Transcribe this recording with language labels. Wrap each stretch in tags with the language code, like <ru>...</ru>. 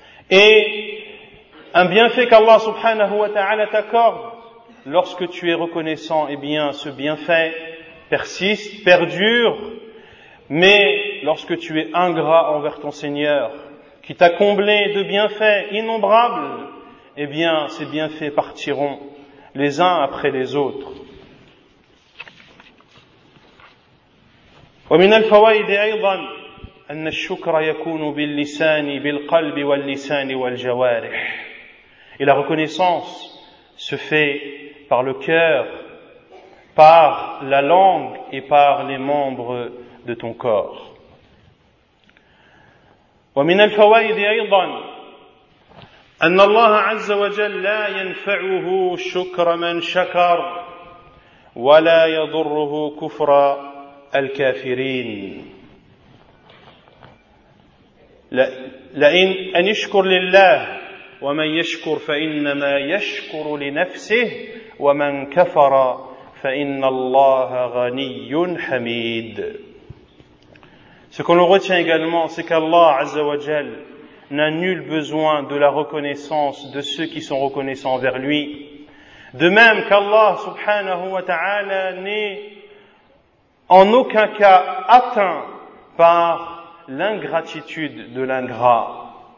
<fr>Et un bienfait qu'Allah subhanahu wa ta'ala t'accorde, lorsque tu es reconnaissant, eh bien ce bienfait persiste, perdure. Mais lorsque tu es ingrat envers ton Seigneur, qui t'a comblé de bienfaits innombrables, eh bien ces bienfaits partiront les uns après les autres.</fr> <ar>ومن الفوائد أيضا أن الشكر يكون باللسان بالقلب واللسان والجوارح.</ar> <fr>Et la reconnaissance se fait par le cœur, par la langue et par les membres de ton corps.</fr> <ar>ومن الفوائد أيضا أن الله عز وجل لا ينفعه شكر من شكر ولا يضره كفر الكافرين. لئن أن يشكر لله ومن يشكر فإنما يشكر لنفسه ومن كفر فإن الله غني حميد.</ar> <fr>Ce qu'on retient également, c'est qu'Allah Azza wa Jal n'a nul besoin de la reconnaissance de ceux qui sont reconnaissants envers lui. De même qu'Allah subhanahu wa ta'ala n'est en aucun cas atteint par l'ingratitude de l'ingrat.</fr>